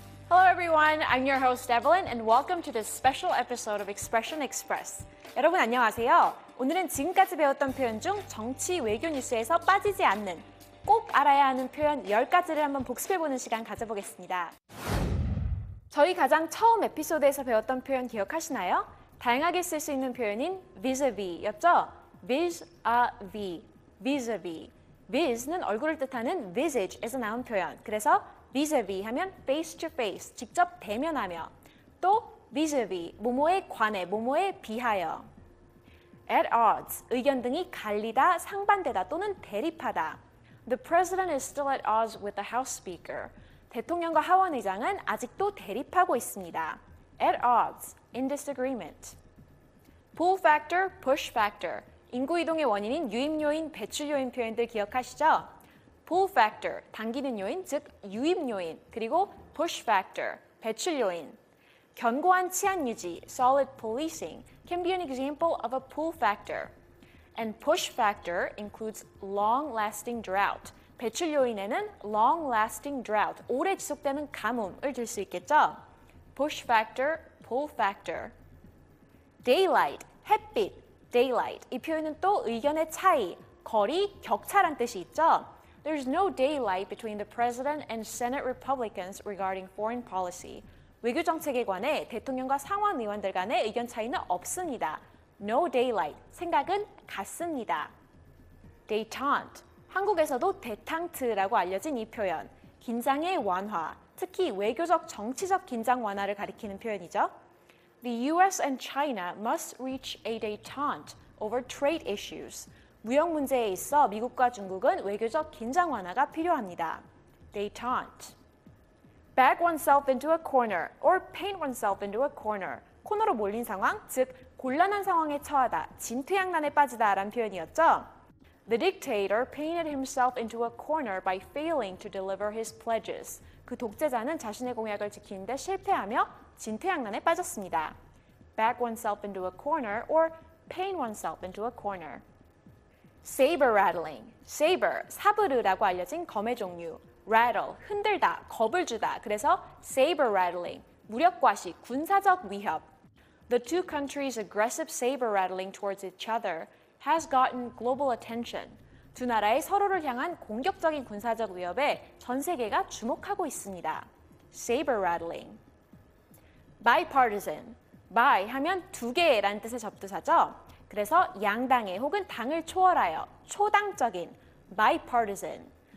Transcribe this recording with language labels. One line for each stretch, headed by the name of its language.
Korean: 여러분,
English: I'm your host Evelyn and welcome to this special episode of Expression Express.
Korean: 여러분 안녕하세요. 오늘은 지금까지 배웠던 표현 중 정치 외교 뉴스에서 빠지지 않는 꼭 알아야 하는 표현 10가지를 한번 복습해보는 시간 가져보겠습니다. 저희 가장 처음 에피소드에서 배웠던 표현 기억하시나요? 다양하게 쓸 수 있는 표현인 vis-a-vis였죠?
English: vis-a-vis, vis-a-vis.
Korean: vis는 얼굴을 뜻하는 visage에서 나온 표현. 그래서 vis-a-vis 하면 face-to-face, 직접 대면하며. 또 vis-a-vis, 뭐뭐에 관해, 뭐뭐에 비하여. at odds, 의견 등이 갈리다, 상반되다 또는 대립하다.
English: The president is still at odds with the House Speaker.
Korean: 대통령과 하원 의장은 아직도 대립하고 있습니다.
English: At odds, in disagreement. Pull factor, push factor.
Korean: 인구 이동의 원인인 유입 요인, 배출 요인 표현들 기억하시죠? Pull factor, 당기는 요인, 즉 유입 요인. 그리고 push factor, 배출 요인. 견고한 치안 유지,
English: solid policing, can be an example of a pull factor. And push factor includes long-lasting drought.
Korean: 배출 요인에는
English: long-lasting drought,
Korean: 오래 지속되는 가뭄을 들 수 있겠죠?
English: Push factor, pull factor. Daylight, 햇빛, daylight.
Korean: 이 표현은 또 의견의 차이, 거리, 격차란 뜻이 있죠?
English: There's no daylight between the president and Senate Republicans regarding foreign policy.
Korean: 외교 정책에 관해 대통령과 상원 의원들 간의 의견 차이는 없습니다.
English: No daylight.
Korean: 생각은 같습니다.
English: Détente.
Korean: 한국에서도 détente라고 알려진 이 표현. 긴장의 완화, 특히 외교적, 정치적 긴장 완화를 가리키는 표현이죠.
English: The US and China must reach a détente over trade issues.
Korean: 무역 문제에 있어 미국과 중국은 외교적 긴장 완화가 필요합니다.
English: Détente. Back oneself into a corner or paint oneself into a corner.
Korean: 코너로 몰린 상황, 즉 곤란한 상황에 처하다, 진퇴양난에 빠지다라는 표현이었죠.
English: The dictator painted himself into a corner by failing to deliver his pledges.
Korean: 그 독재자는 자신의 공약을 지키는데 실패하며 진퇴양난에 빠졌습니다.
English: Back oneself into a corner or paint oneself into a corner. Saber rattling.
Korean: Saber, 사브르라고 알려진 검의 종류. Rattle, 흔들다, 겁을 주다. 그래서 saber rattling, 무력과시, 군사적 위협.
English: The two countries' aggressive saber rattling towards each other has gotten global attention.
Korean: 두 나라의 서로를 향한 공격적인 군사적 위협에 전 세계가 주목하고 있습니다.
English: Saber rattling. Bipartisan.
Korean: Bi 하면 두 개라는 뜻의 접두사죠. 그래서 양당의 혹은 당을 초월하여 초당적인 bipartisan.